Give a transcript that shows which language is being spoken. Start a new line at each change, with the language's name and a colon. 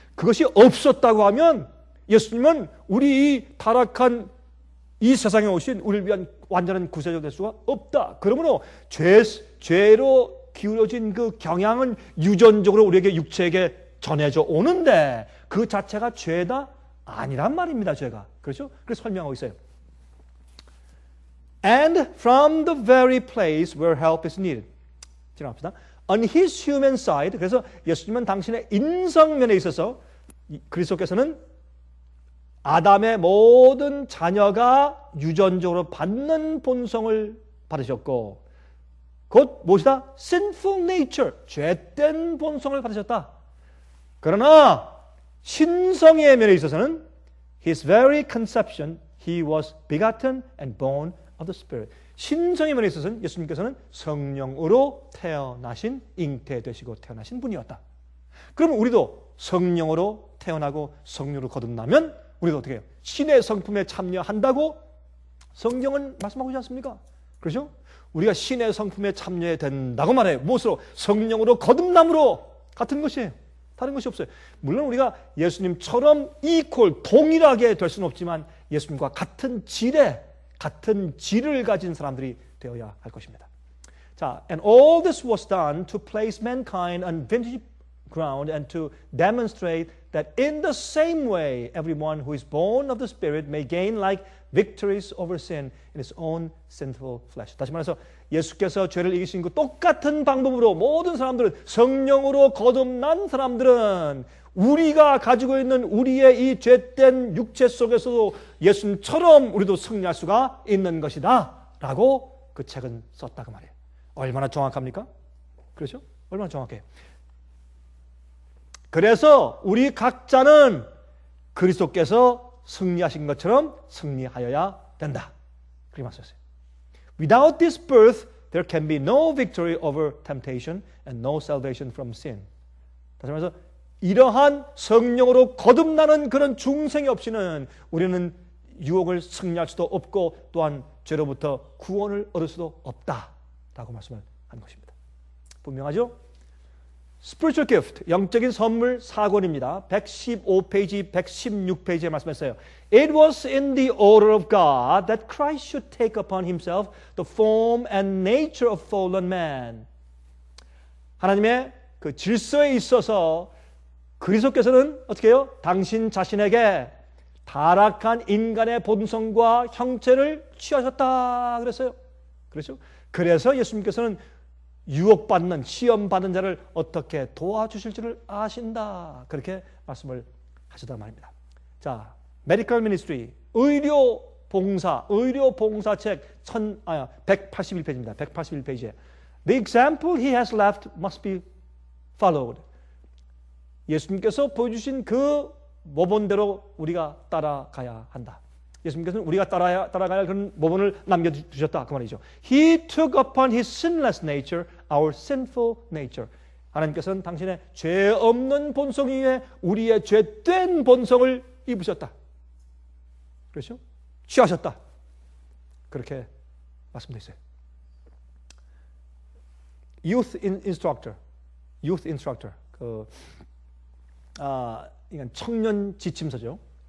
Korean: 그것이 없었다고 하면 예수님은 우리 이 타락한 이 세상에 오신 우리를 위한 완전한 구세주 될 수가 없다. 그러므로 죄로 기울어진 그 경향은 유전적으로 우리에게 육체에게 전해져 오는데 그 자체가 죄다? 아니란 말입니다. 죄가. 그렇죠? 그래서 설명하고 있어요.
English: And from the very place where help is needed.
Korean: 지나갑시다.
English: On his human side.
Korean: 그래서 예수님은 당신의 인성면에 있어서 그리스도께서는 아담의 모든 자녀가 유전적으로 받는 본성을 받으셨고, 곧 무엇이다?
English: sinful nature,
Korean: 죄된 본성을 받으셨다. 그러나 신성의 면에 있어서는
English: his very conception, he was begotten and born of the Spirit.
Korean: 신성의 면에 있어서는 예수님께서는 성령으로 태어나신, 잉태되시고 태어나신 분이었다. 그럼 우리도 성령으로 태어나고 성령으로 거듭나면 우리도 어떻게 해요? 신의 성품에 참여한다고 성경은 말씀하고 있지 않습니까? 그렇죠? 우리가 신의 성품에 참여해야 된다고 말해요. 무엇으로? 성령으로 거듭남으로 같은 것이에요. 다른 것이 없어요. 물론 우리가 예수님처럼 이퀄 동일하게 될 수는 없지만 예수님과 같은 질의 같은 질을 가진 사람들이 되어야 할 것입니다.
English: 자, and all this was done to place mankind on vintage ground and to demonstrate that in the same way everyone who is born of the Spirit may gain like victories over sin in his own sinful flesh.
Korean: 다시 말해서 예수께서 죄를 이기신 그 똑같은 방법으로 모든 사람들은 성령으로 거듭난 사람들은 우리가 가지고 있는 우리의 이 죄된 육체 속에서도 예수님처럼 우리도 승리할 수가 있는 것이다 라고 그 책은 썼다 그 말이에요. 얼마나 정확합니까? 그렇죠? 얼마나 정확해요? 그래서 우리 각자는 그리스도께서 승리하신 것처럼 승리하여야 된다. 그렇게 말씀하셨어요.
English: Without this birth, there can be no victory over temptation and no salvation from sin.
Korean: 다시 말해서 이러한 성령으로 거듭나는 그런 중생이 없이는 우리는 유혹을 승리할 수도 없고 또한 죄로부터 구원을 얻을 수도 없다. 라고 말씀을 한 것입니다. 분명하죠?
English: Spiritual gift,
Korean: 영적인 선물 사권입니다. 115페이지, 116페이지에 말씀했어요.
English: It was in the order of God that Christ should take upon himself the form and nature of fallen man.
Korean: 하나님의 그 질서에 있어서 그리스도께서는 어떻게 해요? 당신 자신에게 타락한 인간의 본성과 형체를 취하셨다 그랬어요. 그렇죠? 그래서 예수님께서는 유혹받는, 시험받는 자를 어떻게 도와주실지를 아신다. 그렇게 말씀을 하셨단 말입니다. 자, Medical Ministry, 의료봉사, 의료봉사책 181페이지입니다. 181페이지에
English: The example he has left must be followed.
Korean: 예수님께서 보여주신 그 모범대로 우리가 따라가야 한다. 예수님께서는 우리가 따라가야 할 그런 모범을 남겨주셨다. 그 말이죠.
English: He took upon his sinless nature, our sinful nature.
Korean: 하나님께서는 당신의 죄 없는 본성 위에 우리의 죄된 본성을 입으셨다. 그렇죠? 취하셨다. 그렇게 말씀드렸어요. Youth instructor. 그, 이건 청년 지침서죠.